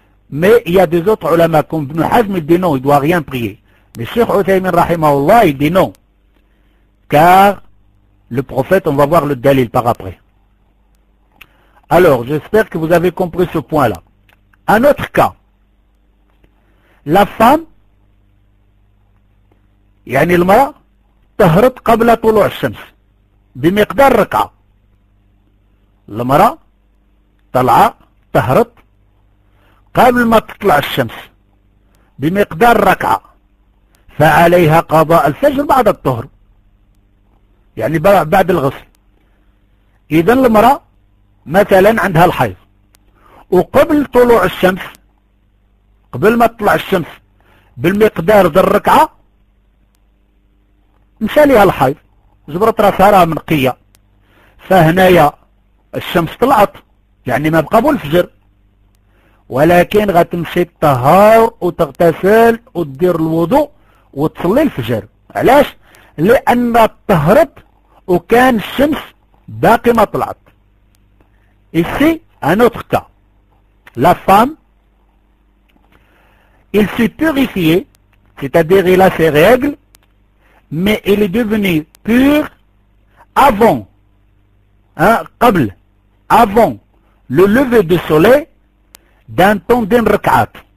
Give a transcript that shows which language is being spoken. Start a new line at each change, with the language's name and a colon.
French: Mais il y a des autres ulama comme Ibn Hazm, il dit non, il ne doit rien prier. Mais Cheikh Uthaymin rahimahullah, il dit non. Car le prophète, on va voir le dalil par après. Alors, j'espère que vous avez compris ce point-là. Un autre cas. La femme,
Arabic: Yani l'ma, تهرت قبل طلوع الشمس بمقدار ركعة. المرأة طلعة تهرت قبل ما تطلع الشمس بمقدار ركعة، فعليها قضاء الفجر بعد الظهر، يعني بعد الغسل. إذا المرأة مثلا عندها الحيض وقبل طلوع الشمس، قبل ما تطلع الشمس بالمقدار ذي الركعة مشى ليها الحيض، جبرت راسها راه منقية، فهنايا الشمس طلعت، يعني ما بقى بالفجر، ولكن غتمشي تطهر وتغتسل ودير الوضوء وتصلي الفجر، علاش؟ لأن طهرت وكان الشمس باقي ما طلعت.
French: ici un autre cas. La femme, elle s'est purifiée C'est-à-dire, il a ses règles, mais il est devenu pur avant, avant le lever du soleil, d'un temps d'un rak'at.